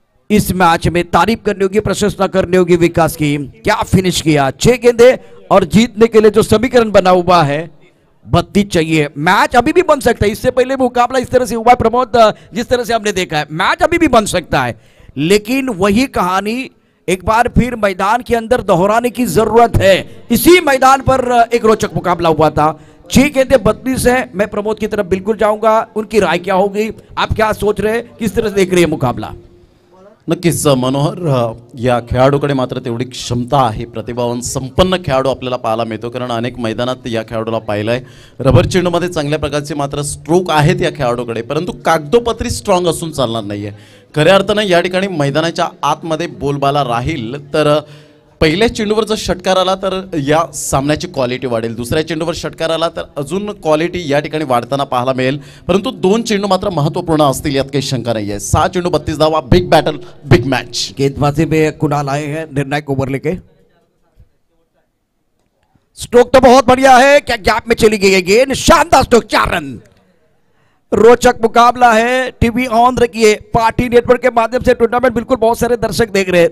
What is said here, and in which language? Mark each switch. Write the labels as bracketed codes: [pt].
[hi] इस मैच में तारीफ करनी होगी, प्रशंसा करनी होगी विकास की, क्या फिनिश किया, 6 गेंदे और जीतने के लिए जो समीकरण बना हुआ है 32 चाहिए, मैच अभी भी बन सकता है, इससे पहले मुकाबला इस तरह से हुआ प्रमोद जिस तरह से हमने देखा है, मैच अभी भी बन सकता है, लेकिन वही कहानी एक बार फिर मैदान के अंदर दोहराने की जरूरत है। इसी मैदान पर एक रोचक मुकाबला हुआ था, ठीक है, 32 है, मैं प्रमोद की तरफ बिल्कुल जाऊंगा, उनकी राय क्या होगी, आप क्या सोच रहे हैं, किस तरह से देख रहे हैं मुकाबला? [mr] नक्कीच मनोहर, या खेळाडूकडे मात्र तेवढी क्षमता आहे, प्रतिभावान संपन्न खेळाडू आपल्याला पाहायला मिळतो, कारण अनेक मैदानात या खेळाडूला पाहिलंय. रबर चेंडूमध्ये चांगल्या प्रकारचे मात्र स्ट्रोक आहेत या खेळाडूकडे, परंतु कागदोपत्री स्ट्रॉंग असून चालणार नाहीये. खऱ्या अर्थानं या ठिकाणी मैदानाच्या आतमध्ये बोलबाला राहील तर पहिल्या चेंडूवर जर षटकार आला तर या सामन्याची क्वालिटी वाढेल, दुसऱ्या चेंडूवर षटकार आला तर अजून क्वालिटी या ठिकाणी वाढताना पाहायला मिळेल, परंतु दोन चेंडू मात्र महत्त्वपूर्ण असतील यात काही शंका नाही आहे. 6 चेंडू 32 धावा, बिग बॅटल, बिग मॅच. [hi] गेंदबाजी में कुणाल आए हैं निर्णायक ओवर लेके. स्ट्रोक तो बहुत बढ़िया है, क्या गैप में चली गई है गेंद, शानदार स्ट्रोक, 4 रन. रोचक मुकाबला है, टीवी ऑन रखिए, पार्टी नेटवर्क के माध्यम से टूर्नामेंट बिल्कुल बहुत सारे दर्शक देख रहे हैं.